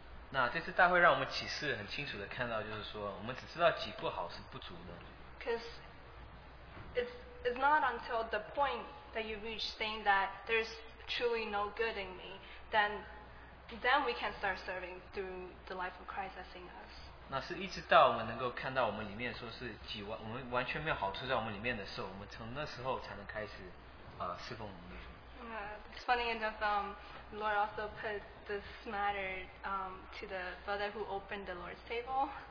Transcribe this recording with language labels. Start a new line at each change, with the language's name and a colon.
Chinese: 那这次大会让我们启示很清楚的看到，就是说，我们只知道己不好是不足的。
English: Because it's not until the point that you reach saying that there's truly no good in me, then we can start serving through the life of Christ that's in us.
Chinese: 那是一直到我们能够看到我们里面说是己完全没有好处在我们里面的时候，我们从那时候才能开始。
English: It's funny enough, Lord also put this matter to the brother who opened the Lord's table.